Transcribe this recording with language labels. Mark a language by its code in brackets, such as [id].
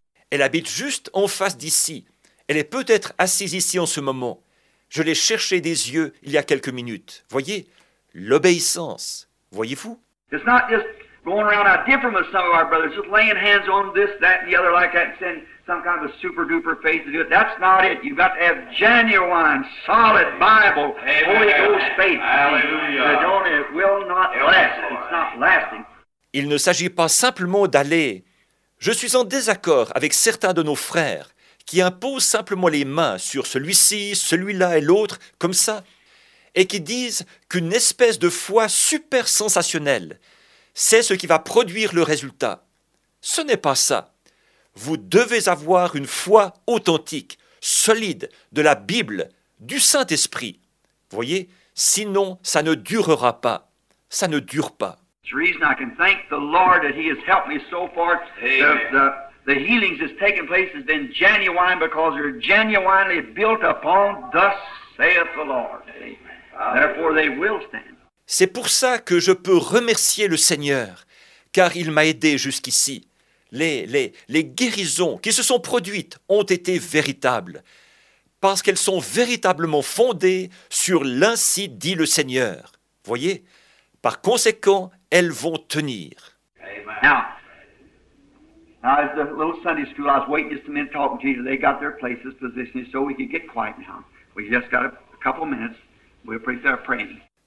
[fr] Elle habite juste en face d'ici. Elle est peut-être assise ici en ce moment. Je l'ai cherchée des yeux il y a quelques minutes. Voyez, l'obéissance, voyez-vous? [en] It's not just going around out different with some of our brothers, just laying hands on this, that, and the other like that, and send some kind of a super-duper faith to do it. That's not it. You've got to have genuine, solid Bible, Amen. Holy Ghost faith. Hallelujah. It will not last. It's not lasting. [fr] Il ne s'agit pas simplement d'aller. Je suis en désaccord avec certains de nos frères qui imposent simplement les mains sur celui-ci, celui-là et l'autre, comme ça, et qui disent qu'une espèce de foi super sensationnelle, c'est ce qui va produire le résultat. Ce n'est pas ça. Vous devez avoir une foi authentique, solide, de la Bible, du Saint-Esprit. Vous voyez, sinon, ça ne durera pas. Ça ne dure pas. [en] It's the reason I can thank the Lord that he has helped me so far. The healings that's taken place has been genuine because they're genuinely built upon thus saith the Lord. Therefore, they will stand. [fr] C'est pour ça que je peux remercier le Seigneur, car il m'a aidé jusqu'ici. Les guérisons qui se sont produites ont été véritables, parce qu'elles sont véritablement fondées sur l'ainsi dit le Seigneur. Voyez, par conséquent, elles vont tenir. [en] Now, as the little Sunday school, I was waiting just a minute talking to you. They got their places positioned so we could get quiet now. We just got a couple minutes. We'll pray there praying.